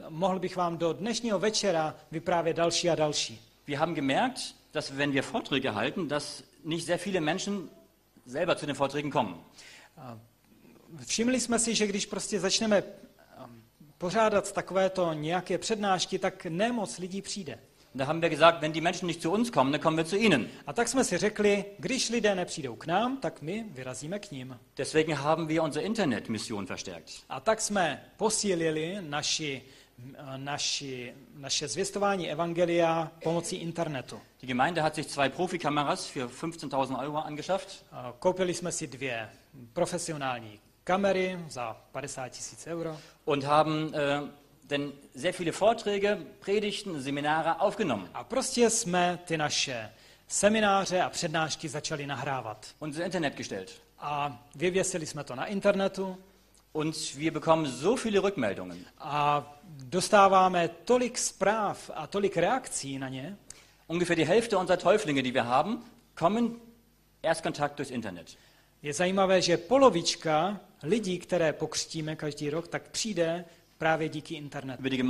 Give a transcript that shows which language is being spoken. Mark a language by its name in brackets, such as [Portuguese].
[Czech] Mohl bych vám do dnešního večera vyprávět další a další. [German] Wir haben gemerkt, dass wenn wir Vorträge halten, dass nicht sehr viele Menschen selber zu den Vorträgen kommen. [Czech] Všimli jsme si, že když prostě začneme pořádat takovéto nějaké přednášky, tak nemoc lidí přijde. [German] Da haben wir gesagt, wenn die Menschen nicht zu uns kommen, dann kommen wir zu ihnen. [Czech] A tak jsme si řekli, když lidé nepřijdou k nám, tak my vyrazíme k ním. [German] Deswegen haben wir unsere Internetmission verstärkt. [Czech] A tak jsme posílili naše zvěstování evangelia pomocí internetu. [German] Die Gemeinde hat sich zwei Profikameras für 15.000 Euro angeschafft. [Czech] Koupili jsme si dvě profesionální kamery za 50.000 euro. [German] Und haben denn sehr viele Vorträge, Predigten, Seminare aufgenommen. [Czech] A prostě jsme ty naše semináře a přednášky začali nahrávat. [German] Und ins Internet gestellt. [Czech] A vyvěsili jsme to na internetu. [German] Und wir bekommen so viele Rückmeldungen. [Czech] A dostáváme tolik zpráv a tolik reakcí na ně. [German] Ungefähr die Hälfte unserer Täuflinge, die wir haben, kommen erst Kontakt durchs Internet. [Czech] Je zajímavé, že polovička lidí, které pokřtíme každý rok, tak přijde právě díky internetu.